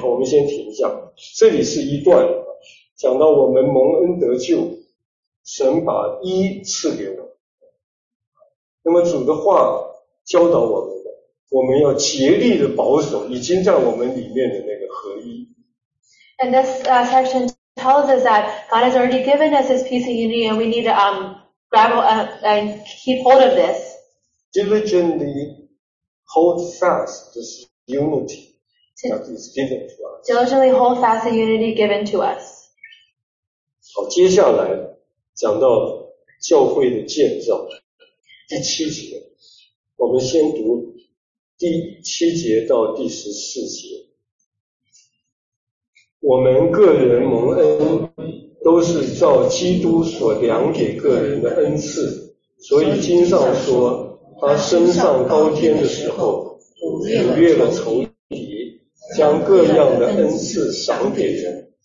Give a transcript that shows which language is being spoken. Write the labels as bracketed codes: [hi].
[zh] 我们先停一下，这里是一段讲到我们蒙恩得救，神把一赐给我们。那么主的话教导我们的，我们要竭力的保守已经在我们里面的那个合一。 [en] And this section tells us that God has already given us His peace and unity, and we need to grab and keep hold of this. Diligently hold fast this unity that is given to us. Diligently hold fast the unity given to us. [zh] 好，接下来讲到教会的建造第七节，我们先读第七节到第十四节，我们个人蒙恩都是照基督所量给个人的恩赐，所以经上说，他升上高天的时候逾越了仇敌，将各样的恩赐赏给人。